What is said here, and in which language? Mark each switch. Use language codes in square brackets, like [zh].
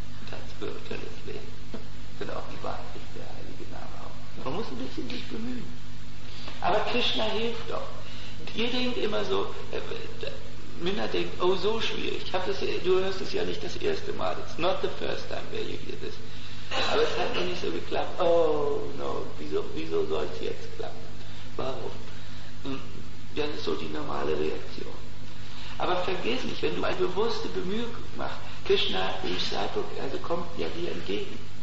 [de] Das spirituelle Leben. Sind auch die Wahrheit der Heilige Name auch. Man muss ein bisschen sich bemühen. Aber Krishna hilft doch. Ihr denkt immer so, Minna denkt, oh, so schwierig. Du hörst es ja nicht das erste Mal. [en] It's not the first time where you hear this. [de] Aber es hat noch nicht so geklappt. Oh, no, wieso soll es jetzt klappen? Warum? Ja, das ist so die normale Reaktion. Aber vergiss nicht, wenn du eine bewusste Bemühung machst, Krishna, also kommt ja dir entgegen.